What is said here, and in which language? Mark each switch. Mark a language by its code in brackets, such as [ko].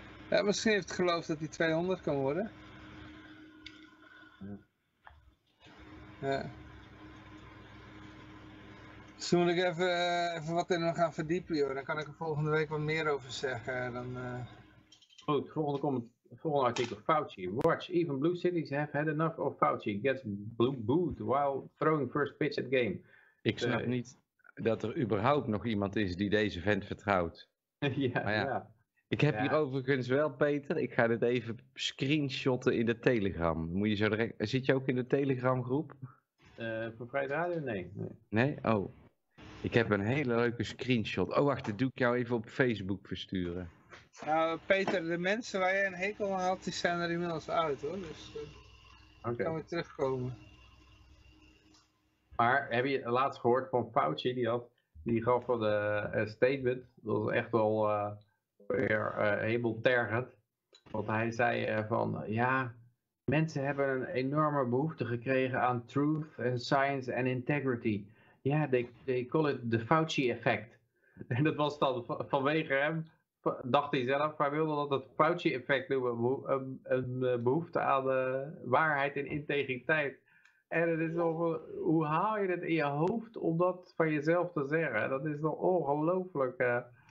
[nl] Ja, misschien heeft het geloof dat hij 200 kan worden. Ja. Dus moet ik even wat in hem gaan verdiepen, joh. Dan kan ik er volgende week wat meer over zeggen. Dan, Goed, volgende volgende artikel. [en] Fauci, watch, even blue cities have had enough of Fauci. Gets booed while throwing first pitch at game. [nl] Ik snap niet dat er überhaupt nog iemand is die deze vent vertrouwt. Ja. Ik heb hier overigens wel, Peter, ik ga dit even screenshotten in de Telegram. Moet je zo direct... Zit je ook in de Telegram groep? Voor Vrij Radio? Nee. Nee? Oh. Ik heb een hele leuke screenshot. Oh, wacht, dat doe ik jou even op Facebook versturen. Nou, Peter, de mensen waar jij een hekel aan had, die zijn er inmiddels uit, hoor. Dus kan weer terugkomen. Maar heb je laatst gehoord van Fauci? Die gaf wel een statement. Dat was echt wel weer helemaal tergend. Want hij zei van, ja, mensen hebben een enorme behoefte gekregen aan [en] truth and science and integrity. Ja, they call it the Fauci effect. [nl] En dat was dan vanwege hem, dacht hij zelf, hij wilde dat het Fauci effect noemen. Een behoefte aan de waarheid en integriteit. En het is over, hoe haal je het in je hoofd om dat van jezelf te zeggen? Dat is toch ongelooflijk.